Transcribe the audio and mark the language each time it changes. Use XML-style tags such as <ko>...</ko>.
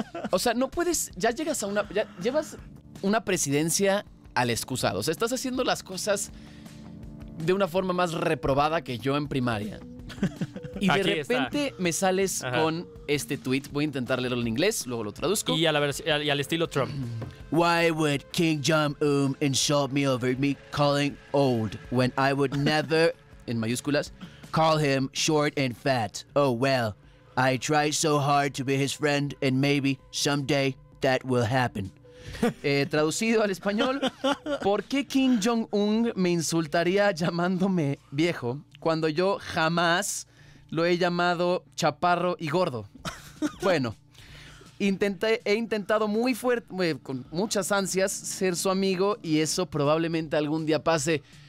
<es>O sea, no puedes... Ya llegas a una... Ya llevas una presidencia al excusado. O sea, estás haciendo las cosas de una forma más reprobada que yo en primaria. Y de repente me sales con este tweet. Voy a intentar leerlo en inglés, luego lo traduzco. Y, y al estilo Trump.</es> <en>Why would Kim Jong-un insult me over me calling old when I would never,</en> <es>en mayúsculas,</es> <en>call him short and fat? Oh, well. I tried so hard to be his friend, and maybe someday that will happen.</en> <es>Traducido al español, ¿por qué Kim Jong-un me insultaría llamándome viejo cuando yo jamás lo he llamado chaparro y gordo? Bueno, he intentado muy fuerte, con muchas ansias, ser su amigo y eso probablemente algún día pase.</es>